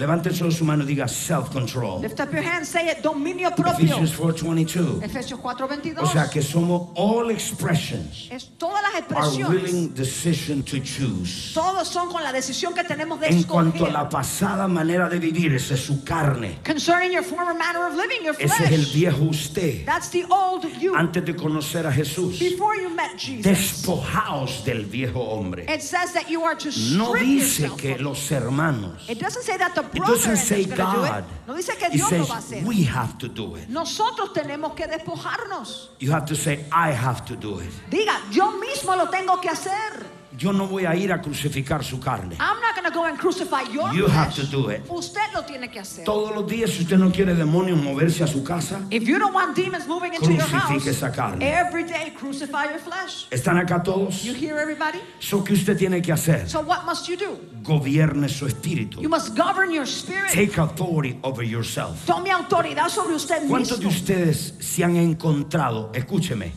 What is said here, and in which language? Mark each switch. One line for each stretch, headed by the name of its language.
Spanish: Levante solo su mano y diga self-control.
English: Lift up your hand, say it,
Spanish: dominio propio.
English: Ephesians 4:22.
Spanish: Efesios 4:22. O sea que somos
English: all expressions.
Spanish: Es todas las expresiones.
English: Our willing decision to choose.
Spanish: Todos son con la decisión que tenemos de en escoger. En cuanto a la pasada manera de vivir, esa es su carne.
English: Concerning your former manner of living, your flesh.
Spanish: Ese es el viejo usted.
English: That's the old you.
Spanish: Antes de conocer a Jesús.
English: Before you met Jesus.
Spanish: Despojaos Quitaos del viejo hombre.
English: It says that you are to strip
Spanish: no dice
English: yourself
Spanish: que los hermanos.
English: It doesn't say that the brother is going to do it.
Spanish: No dice que Dios
English: says,
Spanish: lo va a hacer.
English: We have to do it.
Spanish: Nosotros tenemos que despojarnos.
English: You have to say, I have to do it.
Spanish: Diga, yo mismo lo tengo que hacer. Yo no voy a ir a crucificar su carne.
English: I'm not going to go and crucify your you flesh. Have to do it.
Spanish: Usted lo tiene que hacer. Todos los días, si usted no quiere demonios moverse a su casa,
English: if you don't want demons moving into your house,
Spanish: esa carne.
English: Every day crucify your flesh.
Spanish: ¿Están acá todos?
English: You hear everybody?
Spanish: So, ¿qué usted tiene que hacer?
English: So what must you do?
Spanish: Gobierne su espíritu.
English: You must govern your spirit. Take authority over yourself.
Spanish: Tome autoridad sobre usted mismo. ¿Cuántos de ustedes se han encontrado? Escúcheme.